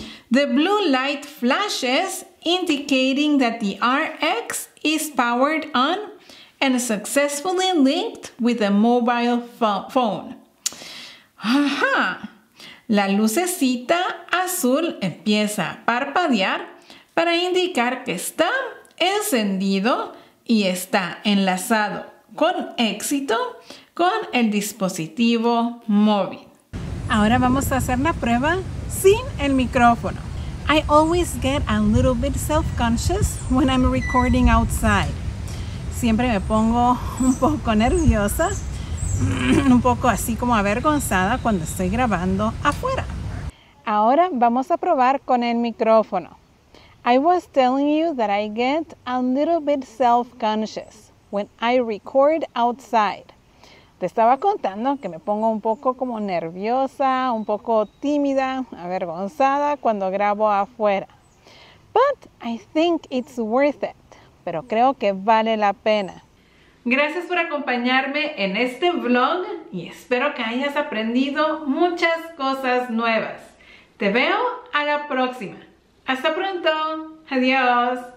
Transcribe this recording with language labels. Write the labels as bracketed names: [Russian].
[English] The blue light flashes, indicating that the RX is powered on and successfully linked with a mobile phone. Ajá. [Spanish] La lucecita azul empieza a parpadear para indicar que está encendido y está enlazado con éxito con el dispositivo móvil. Ahora vamos a hacer la prueba sin el micrófono. [English] I always get a little bit self-conscious when I'm recording outside. [Spanish] Siempre me pongo un poco nerviosa, un poco así como avergonzada cuando estoy grabando afuera. Ahora vamos a probar con el micrófono. [English] I was telling you that I get a little bit self-conscious when I record outside. [Spanish] Te estaba contando que me pongo un poco como nerviosa, un poco tímida, avergonzada cuando grabo afuera. [English] But I think it's worth it. [Spanish] Pero creo que vale la pena. Gracias por acompañarme en este vlog y espero que hayas aprendido muchas cosas nuevas. Te veo a la próxima. Hasta pronto. Adiós.